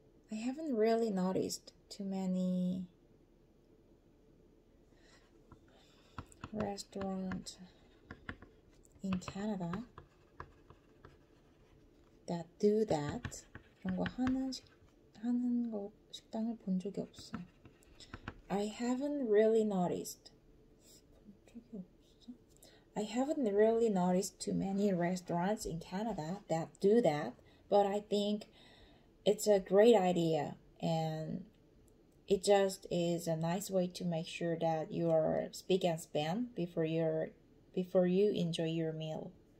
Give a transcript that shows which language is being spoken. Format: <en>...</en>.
<en>I haven't really noticed too many restaurants in Canada that do that.</en> <ko>이런 거 하는 거 식당을 본 적이 없어.</ko> <en>I haven't really noticed. I haven't really noticed too many restaurants in Canada that do that, but I think it's a great idea, and it just is a nice way to make sure that you are spick and span before you enjoy your meal.</en>